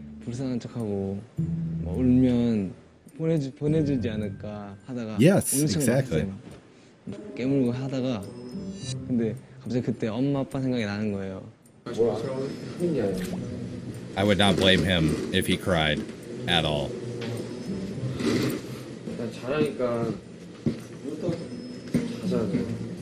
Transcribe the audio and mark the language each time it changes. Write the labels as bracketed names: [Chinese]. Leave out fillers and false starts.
[Korean] 불쌍한 척하고 뭐 울면 보내주지 않을까 하다가 [English] yes, exactly. [Korean] 깨물고 하다가 근데 갑자기 그때 엄마 아빠 생각이 나는 거예요. 뭐야? [English] I would not blame him if he cried at all. [Korean] 일단 자라니까 부터 자자.